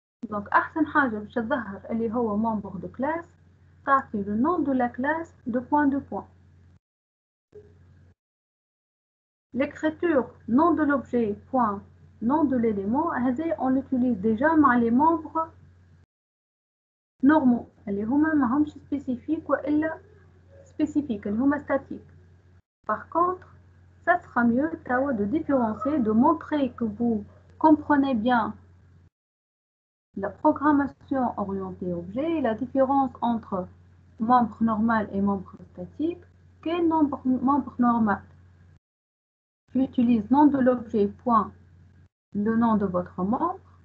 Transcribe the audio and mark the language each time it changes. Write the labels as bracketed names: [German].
[French] Donc, [Arabic] أحسن حاجة باش تظهر اللي هو [French] member de classe, [Arabic] تعطي [French] le nom de la classe de point de point. L'écriture nom de l'objet point nom de l'élément, on l'utilise déjà [Arabic] مع [French] les membres normaux. [Arabic] اللي هما ماهمش [French] spécifiques ou [Arabic] إلا spécifiques, اللي هما statiques. [French] Par contre, ça sera mieux de différencier, de montrer que vous comprenez bien la programmation orientée objet, la différence entre membre normal et membre statique. Quel membre normal? Tu utilises nom de l'objet point le nom de votre membre.